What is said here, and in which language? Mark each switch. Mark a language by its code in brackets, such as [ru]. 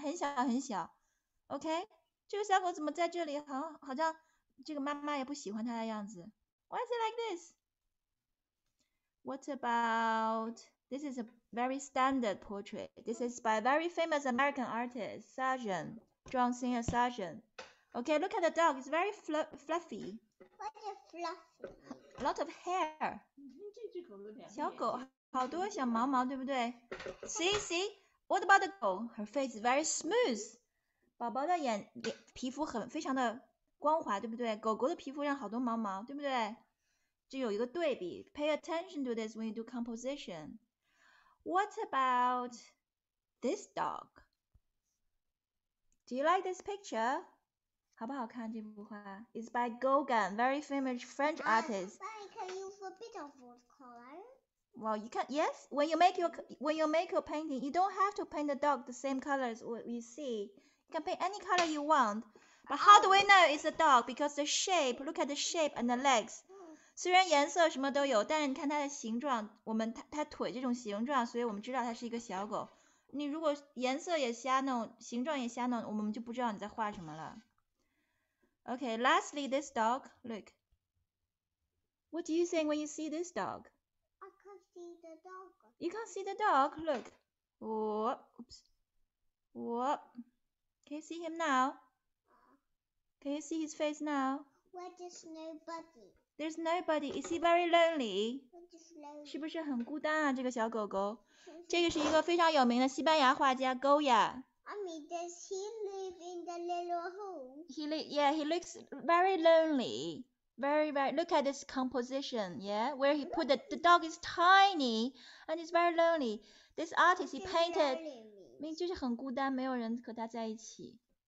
[zh] 你如果想画显得什么东西很小很小，你旁边画一个很大的东西，就会显得它很小很小。Okay? 这个小狗怎么在这里？好像这个妈妈也不喜欢它的样子。 [en] Why is it like this? What about, this is a very standard portrait. This is by a very famous American artist, Sargent, John Singer Sargent. Okay, look at the dog. It's very fluffy. What is fluffy? A lot of hair. [zh] 小狗好多小毛毛,对不对? [en] See? What about the girl? Her face is very smooth. [zh] 宝宝的眼皮肤很非常的光滑,对不对? 狗狗的皮肤上好多毛毛,对不对? 就有一个对比, [en] pay attention to this when you do composition. What about this dog? Do you like this picture? [zh] 好不好看这幅画? [en] It's by Gauguin, very famous French artist. Can you use a bit of watercolor? Well, you can, yes. When you make your painting, you don't have to paint the dog the same color as what you see. You can paint any color you want. But how do we know it's a dog? Because the shape, look at the shape and the legs. [zh] 虽然颜色什么都有, 但是你看它的形状, 它腿这种形状, 所以我们知道它是一个小狗。你如果颜色也瞎弄, 形状也瞎弄, 我们就不知道你在画什么了。 [en] Okay, lastly, this dog, look. What do you think when you see this dog? The dog. You can't see the dog, look. Whoop. Can you see him now? Can you see his face now? Where there's nobody. There's nobody. Is he very lonely? Where there's nobody. [zh] 是不是很孤单啊, 这个小狗狗? 这个是一个非常有名的西班牙画家, Goya. [en] Mommy, does he live in the little home? He looks very lonely. Very, look at this composition, yeah, where he put the dog is tiny, and it's very lonely. This artist, he painted, [zh] 就是很孤单, 没有人和他在一起.